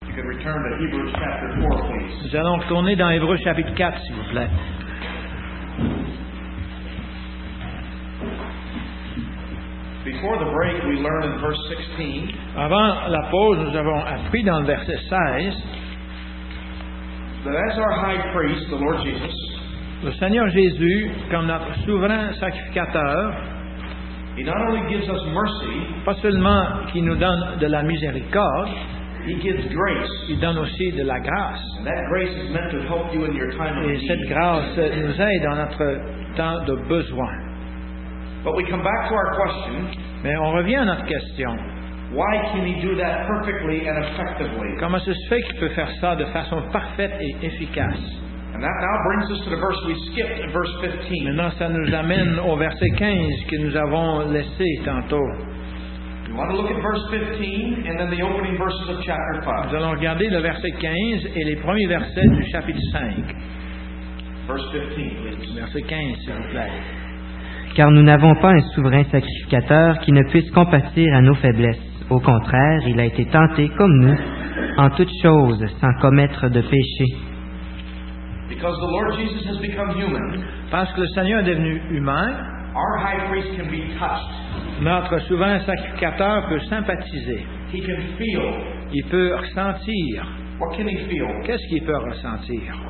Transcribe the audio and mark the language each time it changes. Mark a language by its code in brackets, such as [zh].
[en] turn to Hebrews chapter 4, please. [fr] Nous allons retourner dans Hébreux chapitre 4, s'il vous plaît. [en] Before the break, we learned in verse 16. [fr] Avant la pause, nous avons appris dans le verset 16. [en] That as our high priest, the Lord Jesus. [fr] Le Seigneur Jésus, comme notre souverain sacrificateur, [en] he not only gives us mercy, [fr] pas seulement qu'il nous donne de la miséricorde, [en] he gives grace. [fr] Il donne aussi de la grâce. [en] And that grace is meant to help you in your time of need. [fr] Et cette grâce nous aide dans notre temps de besoin. [en] But we come back to our question. [fr] Mais on revient à notre question. [en] Why can he do that perfectly and effectively? [fr] Comment se fait qu'il peut faire ça de façon parfaite et efficace? [en] And that now brings us to the verse we skipped, verse 15. [fr] Maintenant, ça nous amène au verset 15 que nous avons laissé tantôt. [en] We want to look at verse 15 and then the opening verses of chapter 5. [fr] Nous allons regarder le verset 15 et les premiers versets du chapitre 5. [en] Verse 15, please. [fr] Verset 15, s'il vous plaît. Car nous n'avons pas un souverain sacrificateur qui ne puisse compatir à nos faiblesses. Au contraire, il a été tenté, comme nous, en toutes choses, sans commettre de péché. [en] Because the Lord Jesus has become human, [fr] parce que le Seigneur est devenu humain, [en] our high priest can be touched. [fr] Notre souverain sacrificateur peut sympathiser. [en] He can feel. [fr] Il peut ressentir. [en] What can he feel? [fr] Qu'est-ce qu'il peut ressentir?